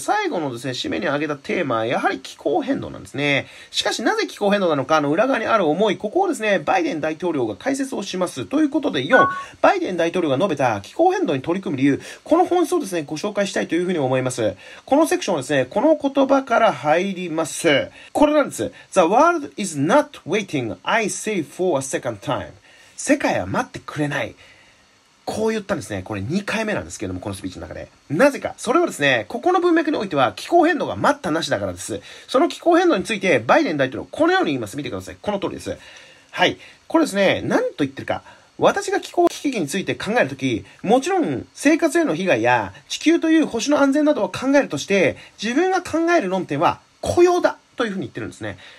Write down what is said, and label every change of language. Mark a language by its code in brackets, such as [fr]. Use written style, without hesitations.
[ja] 最後のですね、締めに挙げたテーマはやはり気候変動なんですね。しかしなぜ気候変動なのかの裏側にある思い、ここをですね、バイデン大統領が解説をします。ということで4、バイデン大統領が述べた気候変動に取り組む理由、この本質をですね、ご紹介したいというふうに思います。このセクションはですね、この言葉から入ります。これなんです。 [en] The world is not waiting, I say for a second time. [ja] 世界は待ってくれない。こう言ったんですね。これ2回目なんですけども、このスピーチの中で。なぜか、それはですね、ここの文脈においては気候変動が待ったなしだからです。その気候変動について、バイデン大統領、このように言います。見てください。この通りです。はい。これですね、何と言ってるか。私が気候危機について考えるとき、もちろん生活への被害や地球という星の安全などを考えるとして、自分が考える論点は雇用だというふうに言ってるんですね。